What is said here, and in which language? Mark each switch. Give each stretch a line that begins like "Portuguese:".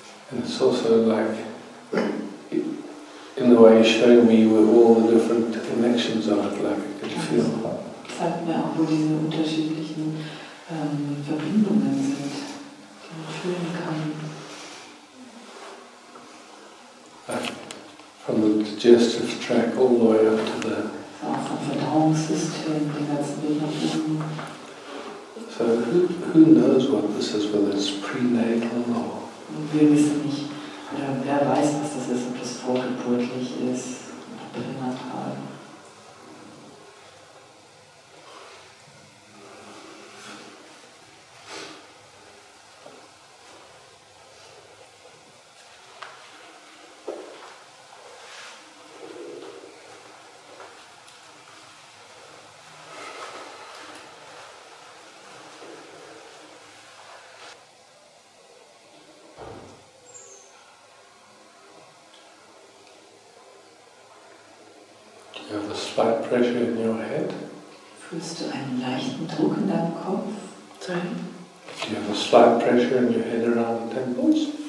English: And it's also like, in the way you showed me where all the different connections are, like I could feel.
German: Zeigt mir auch, wo diese unterschiedlichen Verbindungen sind, die man fühlen kann.
English: From the digestive tract all the way up to the.
German: Auch vom Verdauungssystem, den ganzen Weg nach oben.
English: So who knows what this is, whether it's prenatal or
German: wir wissen nicht, oder wer weiß, was das ist, ob das vorgeburtlich ist oder pränatal.
English: Pressure in your head?
German: Fühlst du einen leichten Druck in deinem Kopf?
English: Sorry. Do you have a slight pressure in your head around the temples?